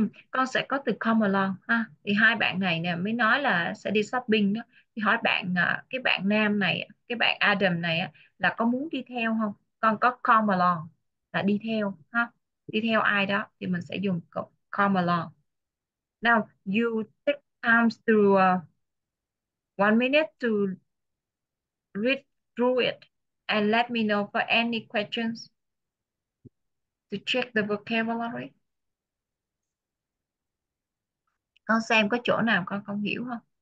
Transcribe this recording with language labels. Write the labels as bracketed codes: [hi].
[vi] Con sẽ có từ come along ha. Thì hai bạn này nè mới nói là sẽ đi shopping đó. Thì hỏi bạn, cái bạn nam này, cái bạn Adam này là có muốn đi theo không? Con có come along là đi theo ha. Đi theo ai đó thì mình sẽ dùng come along. [en] Now, you take time to 1 minute to read through it and let me know for any questions to check the vocabulary. [vi] Con xem có chỗ nào con không hiểu không?